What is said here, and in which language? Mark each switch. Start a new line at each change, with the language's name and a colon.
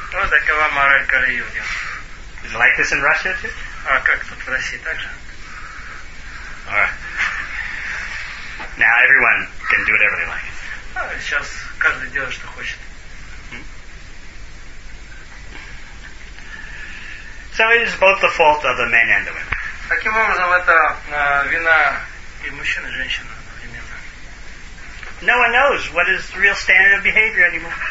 Russian: Вот такова мораль Кали Юги.
English: Is it like this in Russia too?
Russian: А как тут в России также?
English: All right. Now everyone can do whatever they like.
Russian: Сейчас каждый делает, что хочет.
English: So it is both the fault of the men and the women.
Russian: Таким образом, это вина и мужчин, и женщин.
English: No one knows what is the real standard of behavior anymore.